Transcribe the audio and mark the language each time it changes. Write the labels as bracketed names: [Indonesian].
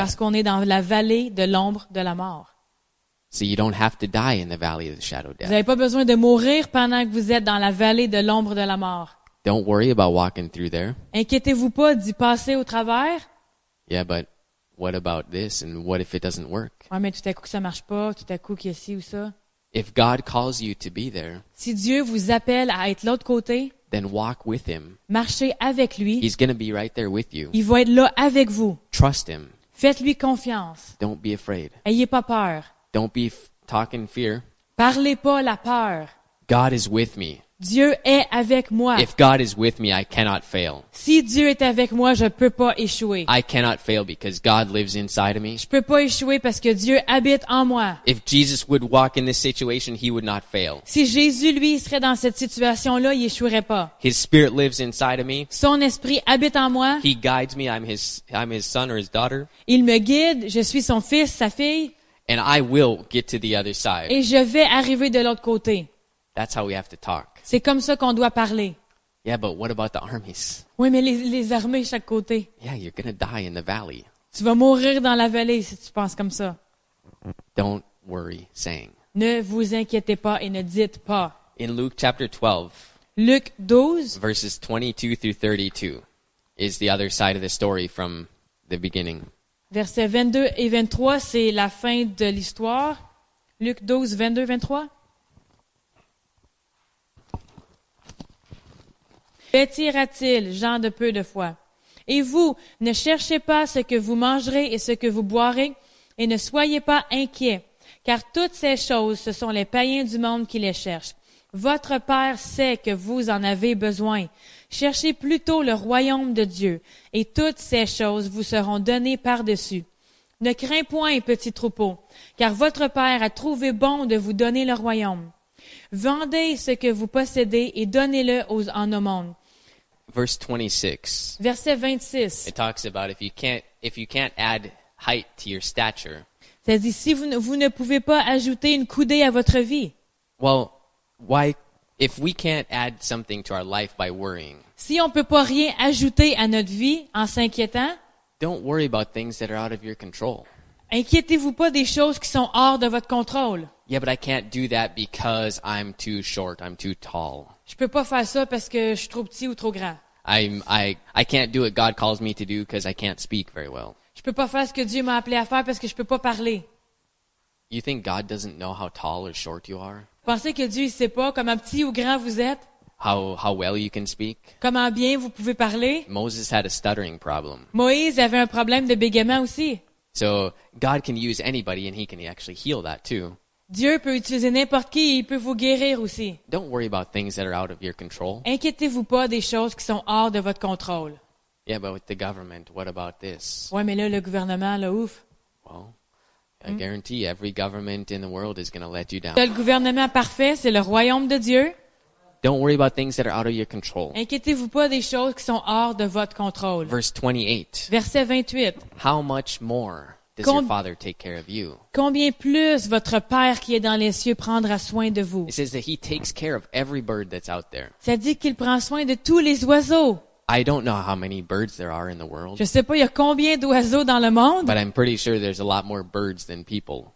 [French] Parce qu'on est dans la vallée de l'ombre de la mort. [English] So you don't have to die in the valley of the shadow of death. [French] Vous n'avez pas besoin de mourir pendant que vous êtes dans la vallée de l'ombre de la mort. [English] Don't worry about walking through there. [French] Inquiétez-vous pas d'y passer au travers. [English] Yeah, but what about this and what if it doesn't work? [French] Ouais, mais tout à coup que ça marche pas, tout à coup qu'il y a ci ou ça. [English] If God calls you to be there, [French] si Dieu vous appelle à être l'autre côté, [English] then walk with him. [French] Marchez avec lui. [English] He's going to be right there with you. [French] Il va être là avec vous. [English] Trust him. [French] Faites-lui confiance. [English] Don't be afraid. [French] Ayez pas peur. [English] Don't be talking fear. [French] Parlez pas la peur. [English] God is with me. [French] Dieu est avec moi. [English] If God is with me, I cannot fail. [French] Si Dieu est avec moi, je peux pas échouer. [English] I cannot fail because God lives inside of me. [French] Je peux pas échouer parce que Dieu habite en moi. [English] If Jesus would walk in this situation, he would not fail. [French] Si Jésus lui serait dans cette situation là, il échouerait pas. [English] His spirit lives inside of me. [French] Son esprit habite en moi. [English] He guides me. I'm his son or his daughter. [French] Il me guide. Je suis son fils, sa fille. [English] And I will get to the other side. [French] Et je vais arriver de l'autre côté. [English] That's how we have to talk. [French] C'est comme ça qu'on doit parler. [English] Yeah, but what about the armies? [French] Oui, mais les armées à chaque côté. [English] Yeah, you're gonna die in the valley. [French] Tu vas mourir dans la vallée si tu penses comme ça. [English] Don't worry saying. [French] Ne vous inquiétez pas et ne dites pas. [English] In Luke chapter 12. [French] Luc 12. [English] Verses 22 through 32 is the other side of the story from the beginning. [French] Versets 22 et 23, c'est la fin de l'histoire. Luc 12, 22, 23. Pétira-t-il, gens de peu de foi? Et vous, ne cherchez pas ce que vous mangerez et ce que vous boirez, et ne soyez pas inquiets, car toutes ces choses, ce sont les païens du monde qui les cherchent. Votre Père sait que vous en avez besoin. Cherchez plutôt le royaume de Dieu, et toutes ces choses vous seront données par-dessus. Ne crains point, petit troupeau, car votre Père a trouvé bon de vous donner le royaume. Vendez ce que vous possédez et donnez-le aux en au monde. [English] Verse 26. [French] Verset 26. [English] It talks about if you can't add height to your stature. [French] Ça dit si vous ne pouvez pas ajouter une coudée à votre vie. [English] Well, why if we can't add something to our life by worrying? [French] Si on peut pas rien ajouter à notre vie en s'inquiétant. [English] Don't worry about things that are out of your control. [French] Inquiétez-vous pas des choses qui sont hors de votre contrôle. [English] Yeah, but I can't do that because I'm too short. I'm too tall. [French] Je peux pas faire ça parce que je suis trop petit ou trop grand. [English] I can't do what God calls me to do because I can't speak very well. [French] Je peux pas faire ce que Dieu m'a appelé à faire parce que je peux pas parler. [English] You think God doesn't know how tall or short you are? [French] Vous pensez que Dieu sait pas comment petit ou grand vous êtes? [English] How well you can speak? [French] Comment bien vous pouvez parler? [English] Moses had a stuttering problem. [French] Moïse avait un problème de bégaiement aussi. [English] So God can use anybody, and He can actually heal that too. [French] Dieu peut utiliser n'importe qui, il peut vous guérir aussi. [English] Don't worry about things that are out of your control. [French] Inquiétez-vous pas des choses qui sont hors de votre contrôle. [English] Yeah, but with the government, what about this? [French] Ouais, mais là, le gouvernement, là, ouf. [English] Well, I guarantee every government in the world is going to let you down. [French] Le gouvernement parfait, c'est le royaume de Dieu. [English] Don't worry about things that are out of your control. [French] Inquiétez-vous pas des choses qui sont hors de votre contrôle. [English] Verse 28. [French] Verset 28. [English] How much more? Does your father take care of you? [French] Combien plus votre Père qui est dans les cieux prendra soin de vous? [English] It says that he takes care of every bird that's out there. [French] Ça dit qu'il prend soin de tous les oiseaux. [English] I don't know how many birds there are in the world. [French] Je sais pas il y a combien d'oiseaux dans le monde. [English] But I'm pretty sure there's a lot more birds than people.